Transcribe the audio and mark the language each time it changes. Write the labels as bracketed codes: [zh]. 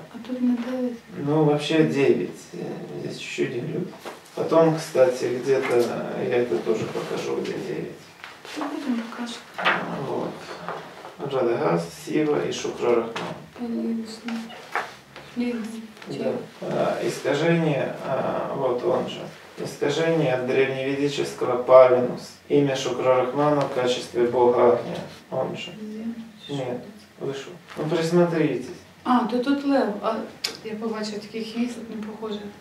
[uk] А тут не дев'ять? Ну, взагалі дев'ять. Я тут чуть-чуть ділю. Потім, [ru] кстати, где-то [uk] я це теж покажу, де дев'ять. Ми будемо показувати. [ru] Вот. Радагас, Сіва і Шукрарахма. Конечно. Да. Искажение, вот он же, искажение от древневедического Павинус, имя Шукрарахмана в качестве бога огня, он же. Нет, вышел. Ну присмотритесь. [uk] А, то тут лев, а я побачу, такий хвіст, [ru] не похоже.